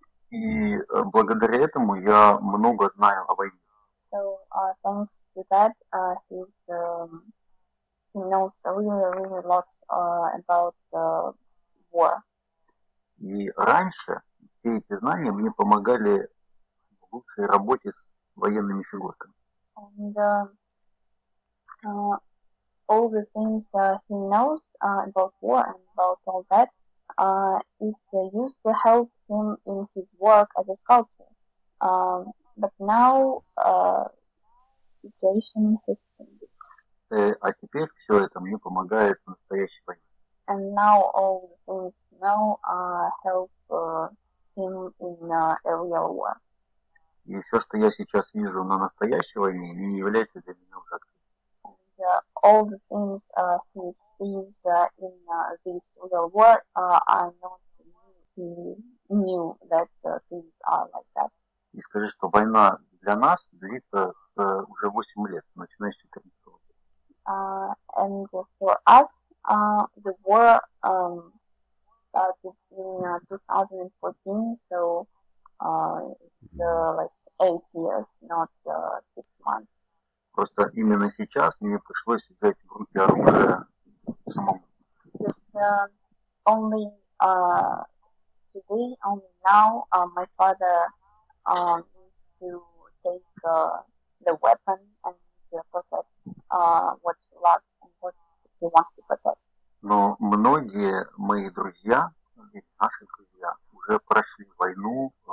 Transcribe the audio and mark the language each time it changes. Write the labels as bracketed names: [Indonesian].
[Russian] и благодаря этому я много знаю о войне. [English] So thanks to that he's he knows really, really lots about the war. [Russian] И раньше все эти знания мне помогали в лучшей работе с военными фигурками. [English] And all the things he knows about war and about all that, it used to help him in his work as a sculptor. But now situation has changed. [Russian] А теперь все это мне помогает в настоящей войне. [English] And now all the things he know help him in a real war. [Russian] И все, что я сейчас вижу на настоящей войне, не является для меня уже открытым. [English] All the things he sees in this real war are not new. He knew that things are like that. [Russian] И скажи, что война для нас длится уже 8 лет, начиная с 14 года. [English] And for us, the war started in 2014, so it's like 8 years, not 6 months. [Russian] Просто именно сейчас мне пришлось взять в руки оружие самому. [English] Just only today, only now, my father needs to take the weapon and protect what he loves and what he wants to protect. [Russian] Но многие мои друзья, наши друзья, уже прошли войну,